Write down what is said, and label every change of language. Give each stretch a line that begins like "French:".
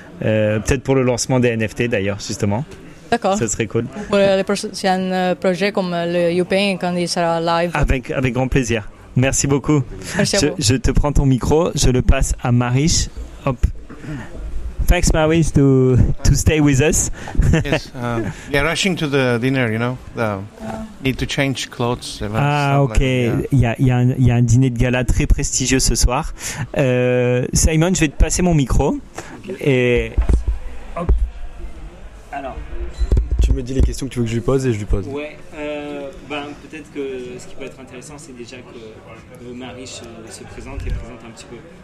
French: Peut-être pour le lancement des NFT d'ailleurs, justement. D'accord. Ce serait cool. Pour les prochains projets comme le Youpain quand il sera live. Avec grand plaisir. Merci beaucoup. Merci à vous. Je te prends ton micro, je le passe à Marish.
English: Hop. Thanks, Marish, to stay with us. Yes, we are rushing to the dinner, you know. Need to change clothes.
French: Il y a un dîner de gala très prestigieux ce soir. Simon, je vais te passer mon micro. Okay. Et hop. Alors, tu me dis les questions que tu veux que je lui pose et je lui pose. Ouais. Peut-être que ce qui peut être intéressant, c'est déjà que Marish se présente et présente un petit peu.